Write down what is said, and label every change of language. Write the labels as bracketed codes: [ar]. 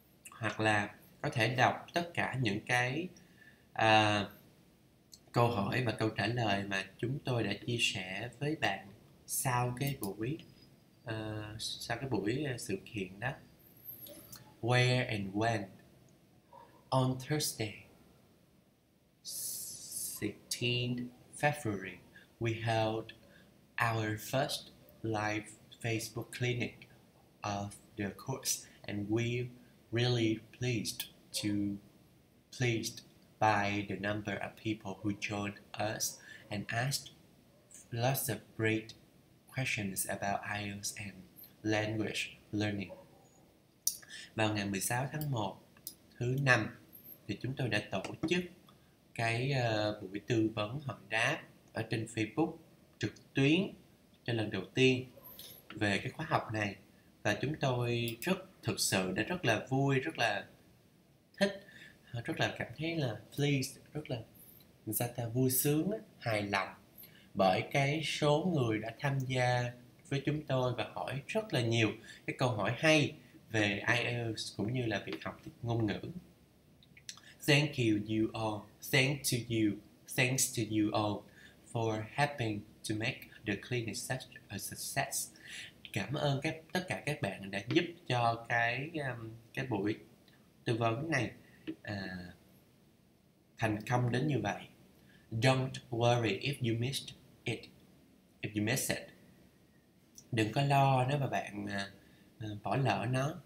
[vi] Hoặc là có thể đọc tất cả những cái câu hỏi và câu trả lời mà chúng tôi đã chia sẻ với bạn sau cái buổi sự kiện đó. [en] Where and when? On Thursday, 16 February, we held our first live Facebook clinic of the course and we really pleased by the number of people who joined us and asked lots of great questions about IELTS and language learning. [vi] Vào ngày 16 tháng 1 thứ năm thì chúng tôi đã tổ chức cái buổi tư vấn hỏi đáp ở trên Facebook trực tuyến cho lần đầu tiên về cái khóa học này, và chúng tôi thực sự đã rất là vui, rất là thích, rất là cảm thấy là pleased, rất là người ta vui sướng, hài lòng bởi cái số người đã tham gia với chúng tôi và hỏi rất là nhiều cái câu hỏi hay về IELTS cũng như là việc học ngôn ngữ. [en] Thank you, you all. Thanks to you all for helping to make the clinic such a success. [vi] Cảm ơn tất cả các bạn đã giúp cho cái buổi tư vấn này thành công đến như vậy. [en] Don't worry if you missed it. If you miss it. [vi] Đừng có lo nếu mà bạn bỏ lỡ nó.